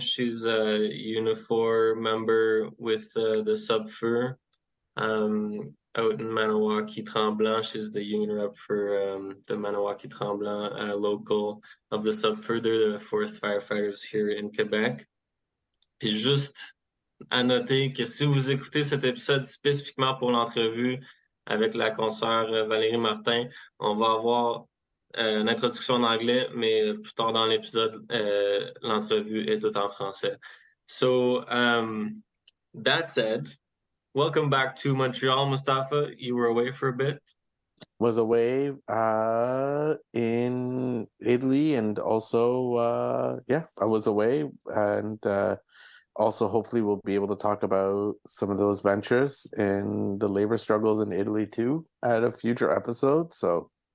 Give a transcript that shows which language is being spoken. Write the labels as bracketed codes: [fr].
[en] She's a Unifor member with the SUPFER out in Maniwaki-Tremblant. She's the union rep for the Maniwaki-Tremblant local of the SUPFER. They're the forest firefighters here in Quebec. [fr] Puis juste à noter que si vous écoutez cet épisode spécifiquement pour l'entrevue avec la consoeur Valérie Martin, on va avoir une introduction en anglais, mais plus tard dans l'épisode, l'entrevue est toute en français. [en] So, That said, welcome back to Montreal, Mustafa. You were away for a bit. Was away in Italy, and also, I was away, and also hopefully we'll be able to talk about some of those ventures and the labor struggles in Italy too at a future episode, so.